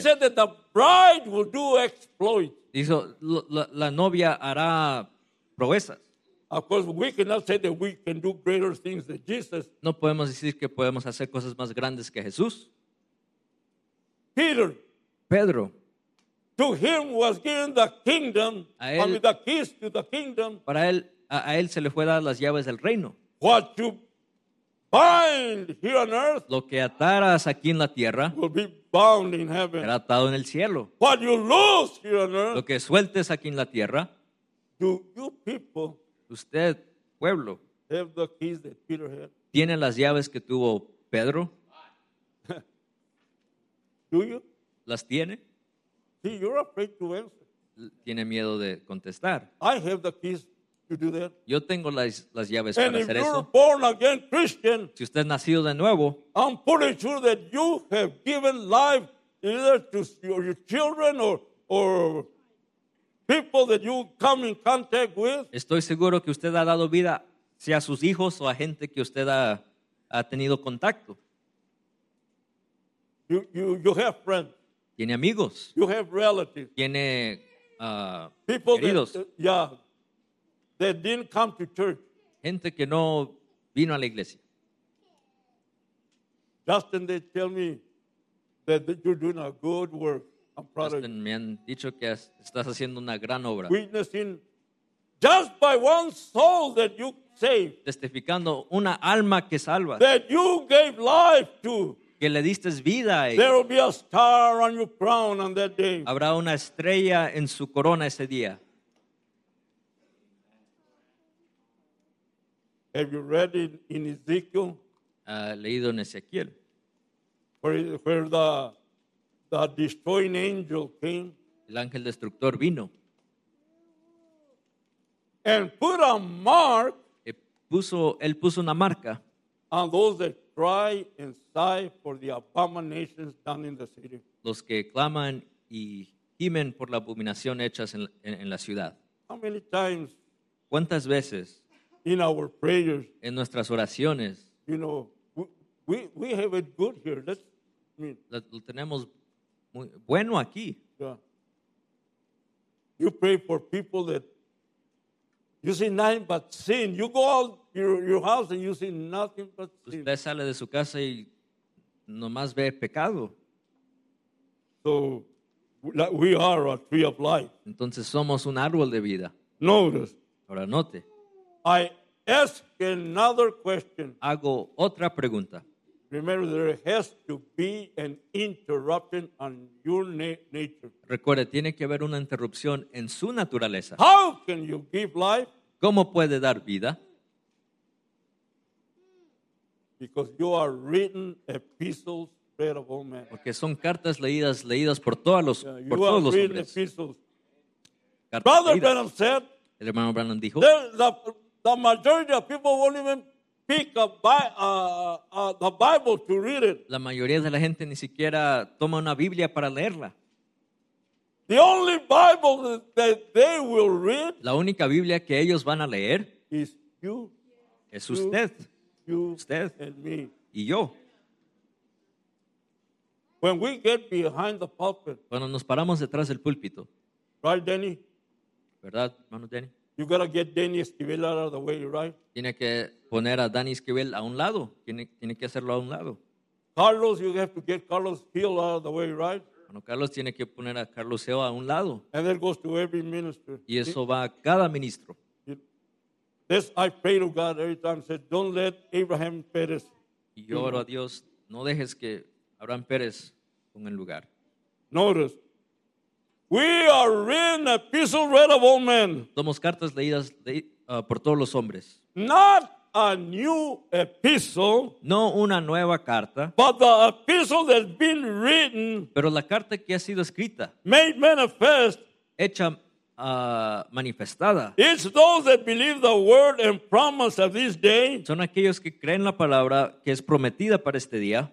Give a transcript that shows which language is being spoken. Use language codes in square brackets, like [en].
[en] He said that the bride will do exploits. [es] Dijo la novia hará proezas. [en] Of course, we cannot say that we can do greater things than Jesus. [es] No podemos decir que podemos hacer cosas más grandes que Jesús. [en] Peter. [es] Pedro. [en] To him was given the kingdom. [es] A él, [en] the keys to the kingdom. [es] Para él, a él se le fue dar las llaves del reino. [en] What to bind here on earth. [es] Lo que ataras aquí en la tierra. [en] Will be bound in heaven. [es] Será atado en el cielo. [en] What you lose here on earth. [es] Lo que sueltes aquí en la tierra. [en] Do you people. [es] Usted, pueblo. [en] Have the keys that Peter had. [es] Tiene las llaves que tuvo Pedro. [en] Do you. [es] Las tiene. [en] See, you're afraid to answer. [es] Tiene miedo de contestar. [en] I have the keys. You do that. [es] Yo tengo las llaves [en] and [es] para hacer eso. [en] Born again Christian, [es] si usted es nacido de nuevo, [en] I'm pretty sure that you have given life either to your children or people that you come in contact with. [es] Estoy seguro que usted ha dado vida sea a sus hijos o a gente que usted ha tenido contacto. [en] You have friends. [es] Tiene amigos. [en] You have relatives. [es] Tiene [en] people [es] queridos. [en] That didn't come to church. [es] Gente que no vino a la iglesia. [en] Justin, they tell me that you're doing a good work. I'm proud Justin, of you. [es] Me han dicho que estás haciendo una gran obra. [en] Witnessing just by one soul that you saved. [es] Testificando una alma que salvas. [en] That you gave life to. [es] Que le diste vida. [en] There will be a star on your crown on that day. [es] Habrá una estrella en su corona ese día. [en] Have you read in Ezekiel? [es] Leído en Ezequiel. [en] Where the destroying angel came. [es] El ángel destructor vino. [en] And put a mark. [es] Él puso una marca. [en] On those that cry and sigh for the abominations done in the city. [es] Los que claman y gimen por la abominación hechas en la ciudad. [en] How many times? [es] ¿Cuántas veces? [en] In our prayers, [es] en nuestras oraciones, [en] you know, we have it good here. Let's [es] lo tenemos muy bueno aquí. [en] Yeah. You pray for people that you see nothing but sin. You go out your house and you see nothing but sin. [es] Usted sale de su casa y nomás ve pecado. [en] So we are a tree of life. [es] Entonces somos un árbol de vida. [en] Notice. [es] Ahora note. [en] I ask another question. [es] Hago otra pregunta. [en] Remember, there has to be an interruption on your nature. [es] Recuerde, tiene que haber una interrupción en su naturaleza. [en] How can you give life? [es] ¿Cómo puede dar vida? [en] Because you are written epistles spread of all men. [es] Porque son cartas leídas por todos los hombres. [en] You are written epistles. Brother Branham said. [es] El hermano Branham dijo. [en] The majority of people won't even pick up the Bible to read it. [es] La mayoría de la gente ni siquiera toma una Biblia para leerla. [en] The only Bible that they will read. [es] La única Biblia que ellos van a leer [en] is you. [es] Es usted. [en] You usted and me. [es] Y yo. [en] When we get behind the pulpit. [es] Cuando nos paramos detrás del púlpito. [en] Right, Danny? [es] ¿Verdad, hermano Danny? [en] You gotta get Danny Esquivel out of the way, right? [es] Tiene que poner a Danny Esquivel a un lado. Tiene que hacerlo a un lado. [en] Carlos, you have to get Carlos Hill out of the way, right? [es] Bueno, Carlos tiene que poner a Carlos Hill a un lado. [en] And that goes to every minister. [es] Y eso va a cada ministro. [en] This I pray to God every time. Said, don't let Abraham Perez. [es] Y yo oro a Dios, no dejes que Abraham Perez ponga el lugar. [en] Notice. We are written epistles read of all men. [es] Somos cartas leídas por todos los hombres. [en] Not a new epistle. [es] No una nueva carta. [en] But the epistle that's been written. [es] Pero la carta que ha sido escrita. [en] Made manifest. [es] Hecha manifestada. [en] It's those that believe the word and promise of this day. [es] Son aquellos que creen la palabra que es prometida para este día.